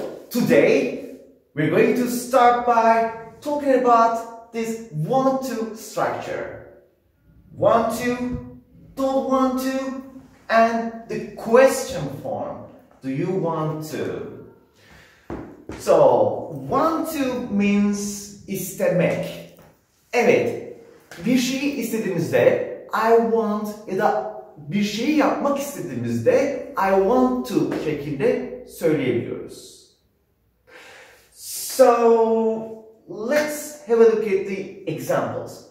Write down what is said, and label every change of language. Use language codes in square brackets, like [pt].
[en] Today, we're going to start by talking about this want-to structure. Want-to, don't want-to, and the question form, do you want-to? So, want-to means istemek. [tr] Evet, bir şey istediğimizde, I want ya da bir şeyi yapmak istediğimizde [en] I want to [tr] şeklinde söyleyebiliyoruz. [en] So, let's have a look at the examples.